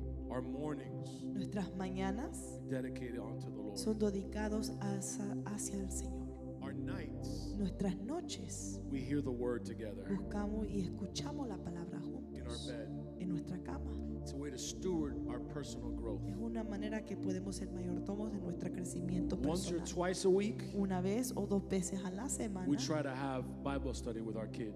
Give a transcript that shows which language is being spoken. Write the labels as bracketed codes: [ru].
[en] our mornings, [es] nuestras mañanas, [en] dedicated unto the Lord, [es] son dedicados hacia el Señor. [en] Our nights, [es] nuestras noches, [en] we hear the word together, [es] buscamos y escuchamos la palabra juntos, [en] in our bed, [es] en nuestra cama. [en] It's a way to steward our personal growth. [es] Es una manera que podemos ser mayordomos de nuestro crecimiento personal. [en] Once or twice a week, [es] una vez o dos veces a la semana, [en] we try to have Bible study with our kids.